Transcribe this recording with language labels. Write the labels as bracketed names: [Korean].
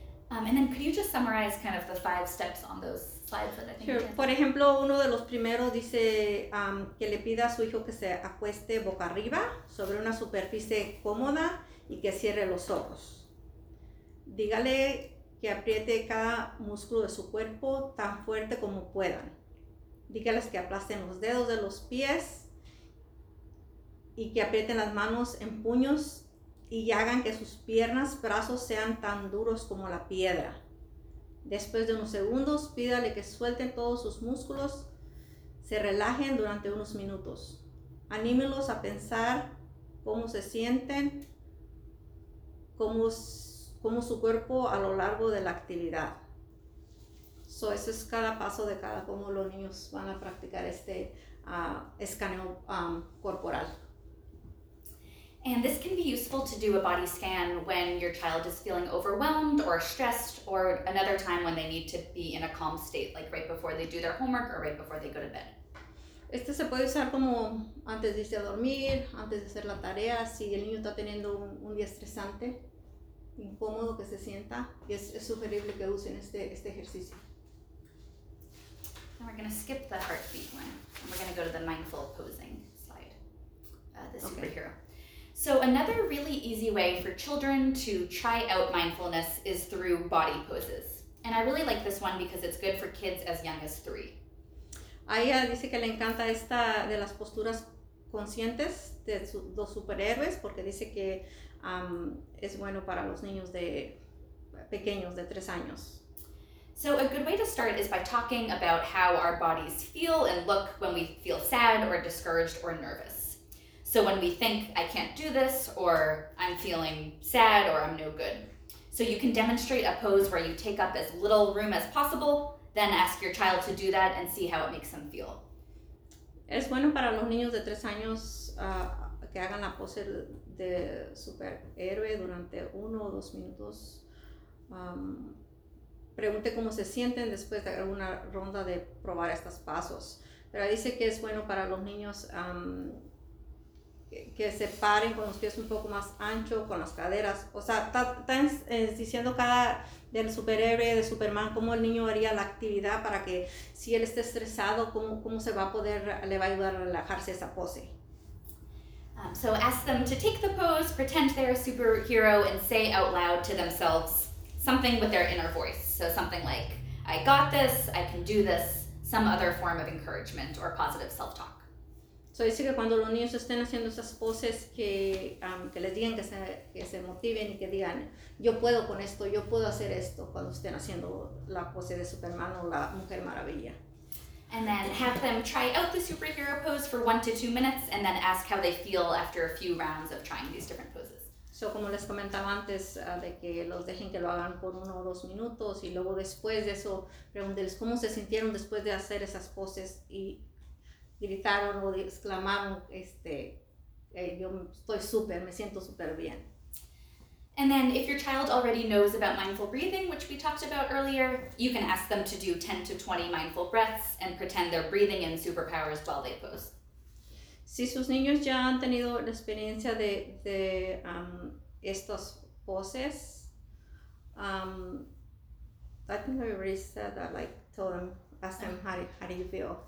[English] And then could you just summarize kind of the five steps on those slides that I think sure. [Spanish] Por ejemplo, uno de los primeros dice que le pida a su hijo que se acueste boca arriba sobre una superficie cómoda y que cierre los ojos. Dígale que apriete cada músculo de su cuerpo tan fuerte como puedan. Dígales que aplasten los dedos de los pies y que aprieten las manos en puños y hagan que sus piernas, brazos sean tan duros como la piedra. Después de unos segundos, pídale que suelten todos sus músculos, se relajen durante unos minutos. Anímelos a pensar cómo se sienten, cómo su cuerpo a lo largo de la actividad. So, eso es cada paso de cada cómo los niños van a practicar escaneo corporal. [English] And this can be useful to do a body scan when your child is feeling overwhelmed or stressed, or another time when they need to be in a calm state, like right before they do their homework or right before they go to bed. [Spanish] Este se puede usar como antes de irse a dormir, antes de hacer la tarea, si el niño está teniendo un día estresante, incómodo que se sienta, y es sugerible que usen este ejercicio. [English] And we're going to skip the heartbeat one, and we're going to go to the mindful posing slide, the superhero. Okay. So another really easy way for children to try out mindfulness is through body poses. And I really like this one because it's good for kids as young as 3. [Spanish] Aya dice que le encanta esta de las posturas conscientes de los superhéroes porque dice que es bueno para los niños de pequeños de 3 años. [English] So a good way to start is by talking about how our bodies feel and look when we feel sad or discouraged or nervous. So when we think I can't do this or I'm feeling sad or I'm no good. So you can demonstrate a pose where you take up as little room as possible. Then ask your child to do that and see how it makes them feel. [Spanish] Es bueno para los niños de 3 años que hagan la pose de superhéroe durante 1 o 2 minutos. Pregunte cómo se sienten después de alguna ronda de probar estos pasos. Pero dice que es bueno para los niños que se paren con los pies un poco más ancho, con las caderas. O sea, está diciendo cada del superhéroe, de Superman, cómo el niño haría la actividad para que si él está estresado, cómo se va a poder, le va a ayudar a relajarse esa pose. [English] So ask them to take the pose, pretend they're a superhero, and say out loud to themselves something with their inner voice. So something like, I got this, I can do this, some other form of encouragement or positive self-talk. [Spanish] So dice que cuando los niños estén haciendo esas poses que les digan que se motiven y que digan yo puedo con esto, yo puedo hacer esto cuando estén haciendo la pose de Superman o la Mujer Maravilla. [English] And then have them try out the superhero pose for 1 to 2 minutes and then ask how they feel after a few rounds of trying these different poses. [Spanish] So como les comentaba antes, de que los dejen que lo hagan por 1 o 2 minutos y luego después de eso pregúntenles cómo se sintieron después de hacer esas poses y gritaron o exclamaron, yo estoy súper, me siento súper bien. [English] And then if your child already knows about mindful breathing, which we talked about earlier, you can ask them to do 10 to 20 mindful breaths and pretend they're breathing in superpowers while they pose. [Spanish] Si sus niños ya han tenido la experiencia de estas poses, [English] I think I already said that, like, tell them, ask them how do you feel.